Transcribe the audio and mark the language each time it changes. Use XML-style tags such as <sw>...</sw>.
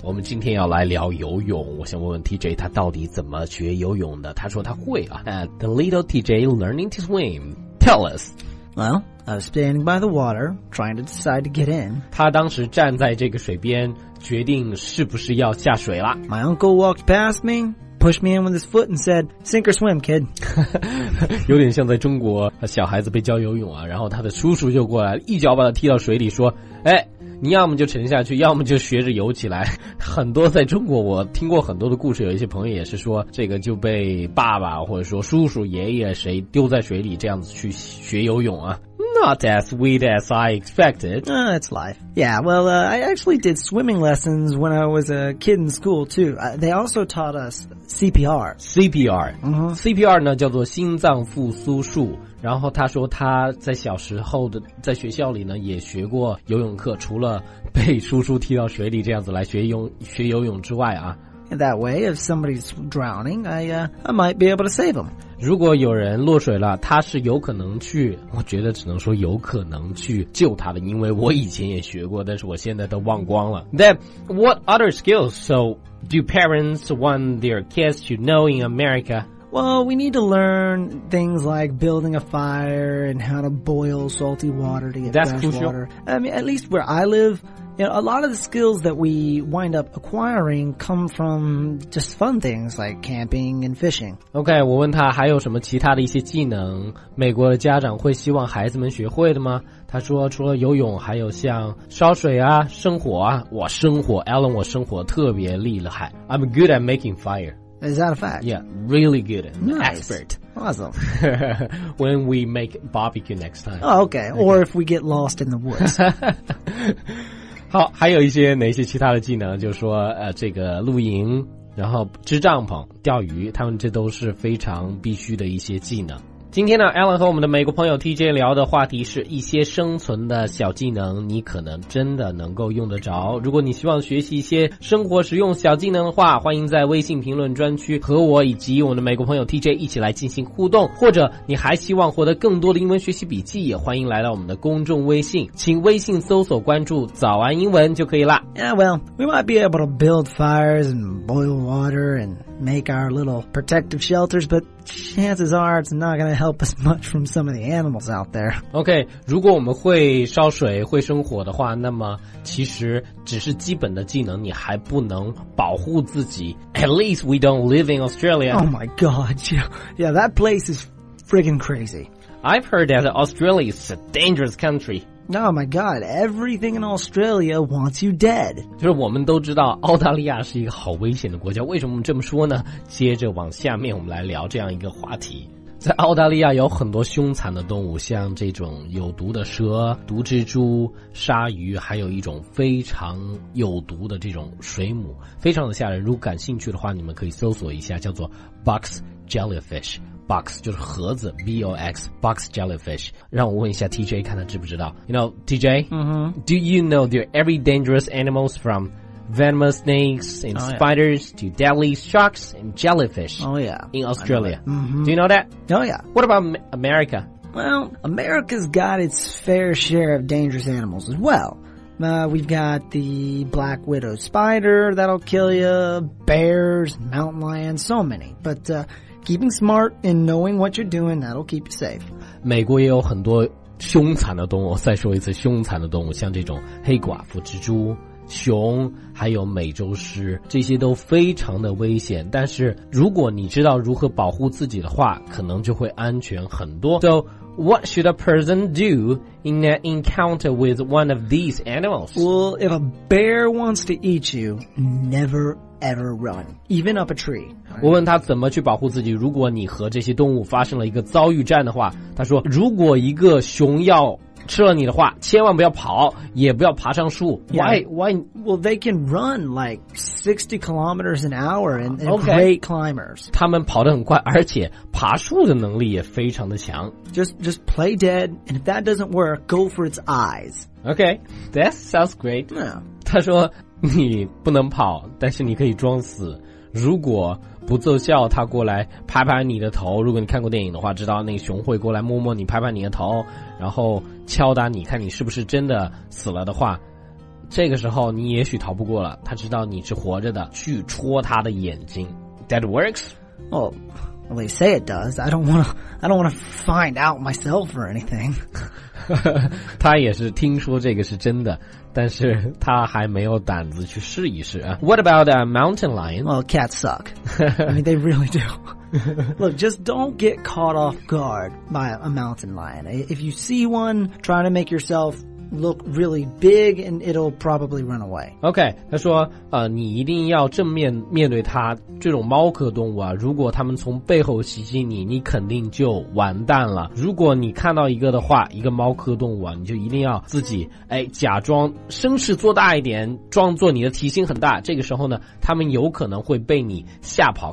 <zh>我们今天要来聊游泳，我想问问 TJ 他到底怎么学游泳的，他说他会啊。</zh> <en>The little TJ learning to swim, tell us. Well, I was standing by the water, trying to decide to get in.</en> <zh>他当时站在这个水边，决定是不是要下水了。</zh> <en>My uncle walked past me, pushed me in with his foot and said, sink or swim, kid.</en> <zh>有点像在中国小孩子被教游泳啊，然后他的叔叔就过来一脚把他踢到水里说，哎，你要么就沉下去，要么就学着游起来。很多在中国我听过很多的故事，有一些朋友也是说这个就被爸爸或者说叔叔爷爷谁丢在水里这样子去学游泳啊。</zh> <en>Not as sweet as I expected. It's life. Yeah, well, I actually did swimming lessons when I was a kid in school, too. They also taught us CPR.</en> <zh>CPR.、CPR 呢叫做心脏复苏术。然后他说他在小时候的在学校里呢也学过游泳课，除了被叔叔踢到水里这样子来学游泳之外啊。</zh> <en>That way, if somebody's drowning, I might be able to save them.</en> <zh>如果有人落水了，他是有可能去，我觉得只能说有可能去救他的，因为我以前也学过，但是我现在都忘光了。</zh> <en>Then, what other skills so do parents want their kids to know in America? Well, we need to learn things like building a fire and how to boil salty water to get fresh water. That's crucial. I mean, at least where I live, you know, a lot of the skills that we wind up acquiring come from just fun things like camping and fishing.</en> <zh>Okay, 我问他还有什么其他的一些技能，美国的家长会希望孩子们学会的吗？他说除了游泳还有像烧水啊，生火啊。我生火， Alan, 我生火特别厉害。</zh> <en>I'm good at making fire. Is that a fact? Yeah, really good. Nice. Expert. Awesome. When we make barbecue next time. Oh, okay. Or if we get lost in the woods.</en> <zh>好，还有一些哪些其他的技能，就是说这个露营，然后支帐篷，钓鱼，他们这都是非常必须的一些技能。今天呢 ,Alan 和我们的美国朋友 TJ 聊的话题是一些生存的小技能，你可能真的能够用得着。如果你希望学习一些生活实用小技能的话，欢迎在微信评论专区和我以及我们的美国朋友 TJ 一起来进行互动。或者你还希望获得更多的英文学习笔记，也欢迎来到我们的公众微信，请微信搜索关注早安英文就可以了。</zh> <en>Yeah, well, we might be able to build fires and boil water and make our little protective shelters, butChances are it's not going to help us much from some of the animals out there.</en> <zh>Okay, 如果我们会烧水会生火的话，那么其实只是基本的技能，你还不能保护自己。</zh> <en>At least we don't live in Australia. Oh my god, yeah, that place is friggin' crazy. I've heard that Australia is a dangerous country. Oh my god, everything in Australia wants you dead.</en> <zh>就是我们都知道澳大利亚是一个好危险的国家，为什么这么说呢？接着往下面我们来聊这样一个话题。在澳大利亚有很多凶残的动物，像这种有毒的蛇、毒蜘蛛、鲨鱼，还有一种非常有毒的这种水母，非常的吓人。如果感兴趣的话，你们可以搜索一下，叫做 box jellyfish。 Box 就是盒子 ,B-O-X, box jellyfish. 让我问一下 TJ 看他知不知道。</zh> <en>You know, TJ,、do you know there are every dangerous animals from venomous snakes and spiders to deadly sharks and jellyfish in Australia? Do you know that? Oh yeah. What about America? Well, America's got its fair share of dangerous animals as well. We've got the black widow spider that'll kill you, bears, mountain lions, so many. But, keeping smart and knowing what you're doing, that'll keep you safe.</en> <zh>美国也有很多凶残的动物，再说一次，凶残的动物，像这种黑寡妇蜘蛛、熊，还有美洲狮，这些都非常的危险。但是如果你知道如何保护自己的话，可能就会安全很多。</zh> <en>So, what should a person do in an encounter with one of these animals? Well, if a bear wants to eat you, never ever run, even up a tree.</en> <zh>我问他怎么去保护自己，如果你和这些动物发生了一个遭遇战的话，他说如果一个熊要吃了你的话，千万不要跑，也不要爬上树。</zh> <en>Why? Well, they can run like 60 kilometers an hour and great climbers.</en> <zh>他们跑得很快，而且爬树的能力也非常的强。</zh> <en>Just play dead, and if that doesn't work, go for its eyes. Okay, that sounds great. Yeah.</en> <zh>他说你不能跑，但是你可以装死。如果不奏效，他过来拍拍你的头。如果你看过电影的话，知道那熊会过来摸摸你，拍拍你的头，然后敲打你，看你是不是真的死了的话，这个时候你也许逃不过了。他知道你是活着的，去戳他的眼睛。</zh> <en>That works. Oh, well, they say it does. I don't want to find out myself or anything. 他也是听说这个是真的，但是他还没有胆子去试一试啊。 What about a mountain lion? Well, cats suck. I mean, they really do. Look, just don't get caught off guard by a mountain lion. If you see one, try to make yourself look really big and it'll probably run away.</en> <zh>Okay, 他说你一定要正面面对他，这种猫科动物啊，如果他们从背后袭击你，你肯定就完蛋了。如果你看到一个的话，一个猫科动物啊，你就一定要自己假装声势做大一点，装作你的体型很大，这个时候呢，他们有可能会被你吓跑。</zh>